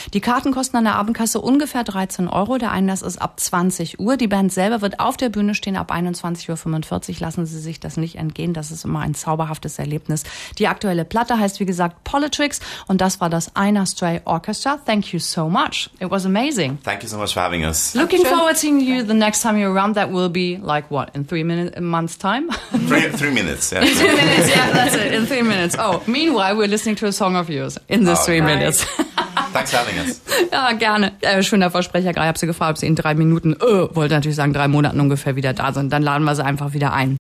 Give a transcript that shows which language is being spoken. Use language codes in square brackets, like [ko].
[de] Die Karten kosten an der Abendkasse ungefähr 13 Euro. Der Einlass ist ab 20 Uhr. Die Band selber wird auf der Bühne stehen ab 21.45 Uhr. Lassen Sie sich das nicht entgehen. Das ist immer ein zauberhaftes Erlebnis. Die aktuelle Platte heißt, wie gesagt, Politrix und das war das Ina Stray Orchestra. [en] Thank you so much. It was amazing. Thank you so much for having us. Looking forward to seeing you the next time you're around. That will be like what? In three months' time? Three minutes, yeah. In 3 minutes, yeah, that's it, in 3 minutes. Oh, meanwhile, we're listening to a song of yours in this three minutes. Thanks for having us. [de] Ja, gerne. Schöner Versprecher, ich habe sie gefragt, ob sie in 3 Minuten, wollte natürlich sagen, 3 Monaten ungefähr wieder da sind. Dann laden wir sie einfach wieder ein.